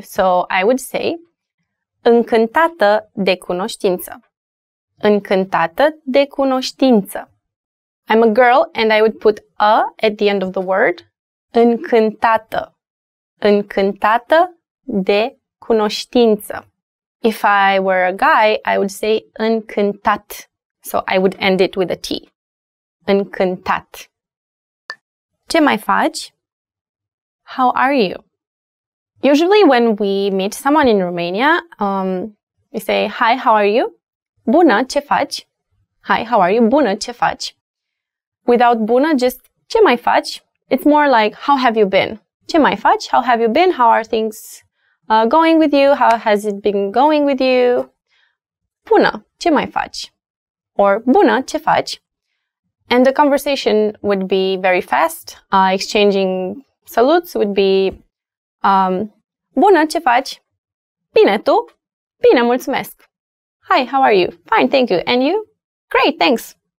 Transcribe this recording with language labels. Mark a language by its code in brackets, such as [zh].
[en] So I would say [ro] încântată de cunoștință. Încântată de cunoștință. [en] I'm a girl and I would put a at the end of the word. [ro] Încântată. Încântată de cunoștință. [en] If I were a guy, I would say încântat. So I would end it with a T. Încântat. [ro] Ce mai faci? [en] How are you? Usually when we meet someone in Romania, we say, hi, how are you? [ro] Bună, ce faci? [en] Hi, how are you? [ro] Bună, ce faci? [en] Without bună, just [ro] ce mai faci? [en] It's more like, how have you been? [ro] Ce mai faci? [en] How have you been? How are things going with you? How has it been going with you? [ro] Bună, ce mai faci? [en] Or [ro] bună, ce faci? [en] And the conversation would be very fast. Exchanging salutes would be [ro] bună, ce faci? Bine, tu? Bine, mulțumesc. [en] Hi, how are you? Fine, thank you. And you? Great, thanks.